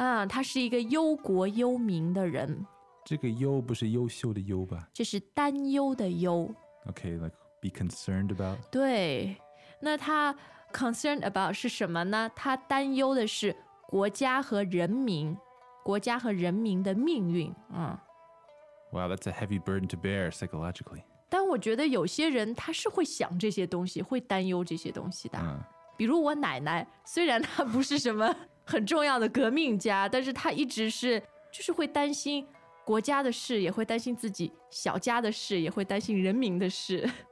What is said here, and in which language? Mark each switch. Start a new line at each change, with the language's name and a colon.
Chinese: 他是一个忧国忧民的人。这个忧不是优秀的忧吧，这是担忧的忧。
English: OK, like be concerned about。
Chinese: 对，那他
English: concerned about
Chinese: 是什么呢？他担忧的是国家和人民，国家和人民的命运。
English: Wow, that's a heavy burden to bear psychologically.
Chinese: 但我觉得有些人他是会想这些东西，会担忧这些东西的。比如我奶奶，虽然她不是什么很重要的革命家，但是她一直是就是会担心国家的事，也会担心自己小家的事，也会担心人民的事。